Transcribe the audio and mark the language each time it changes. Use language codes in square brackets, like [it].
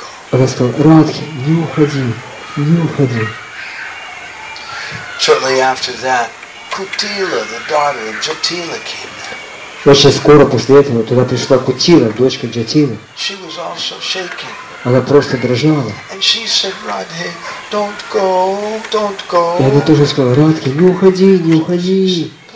[ru] Она сказала, Радхи, не уходи, не уходи. [en] Shortly after that, Kutila, the daughter of Jatila, came there. [ru] Очень скоро после этого туда пришла Кутила, дочка Джатилы. [en] She was also shaking. [ru] Она просто дрожала. [en] And she said, Radhe, don't go, don't go. [ru] И она тоже сказала, Радхи, не уходи, не уходи.